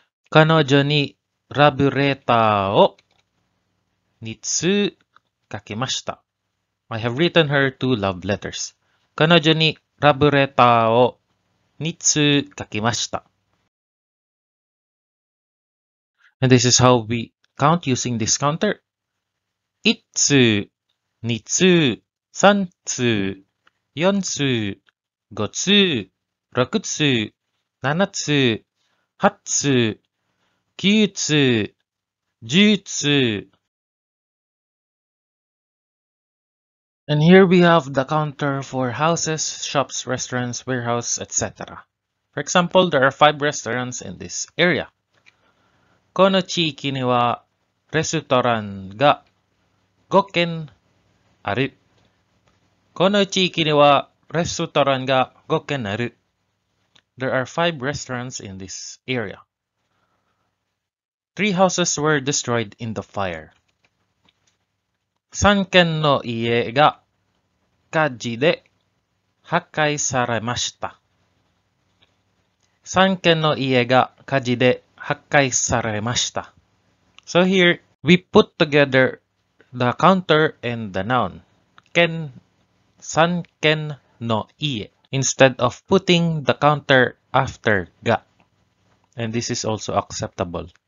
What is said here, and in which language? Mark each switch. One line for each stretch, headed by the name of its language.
Japanese: 彼女にラブレーターを2通書きました。
English: I have written her 2 love letters.
Japanese: 彼女にラブレーターを2通書きました。
English: And this is how we count using this counter.
Japanese: 1通、2通、3通、4通、5通、6通、7通、8通、9通、10通。
English: And here we have the counter for houses, shops, restaurants, warehouse, etc. For example, there are 5 restaurants in this area.
Japanese: この地域にはレストランが5軒ある。この地域にはレストランが5軒ある。
English: There are 5 restaurants in this area. 3 houses were destroyed in the fire.
Japanese: 3軒の家が火事で破壊されました。 3軒の家が火事で破壊されました。
English: So here we put together the counter and the noun 軒、
Japanese: 3軒の家
English: instead of putting the counter after が, and this is also acceptable.